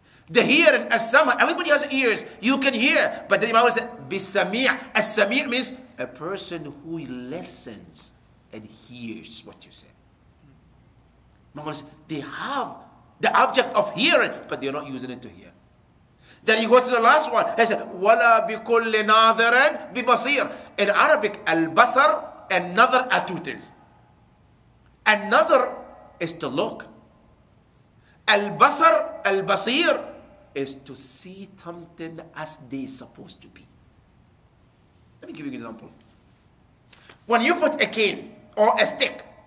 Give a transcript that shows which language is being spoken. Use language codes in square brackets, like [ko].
[en] The hearing, as-sama, everybody has ears. You can hear. But the Imam said, bis-sami'. As-sami' means a person who listens and hears what you say. They have the object of hearing, but they're not using it to hear. Then he goes to the last one. He said, [ar] وَلَا بِكُلِّ نَاظِرٍ بِبَصِيرٍ. [en] In Arabic, al-basar and nadhar are two things. Another is to look. Al-basar, al-basir, is to see something as they supposed to be. Let me give you an example. When you put a cane or a stick,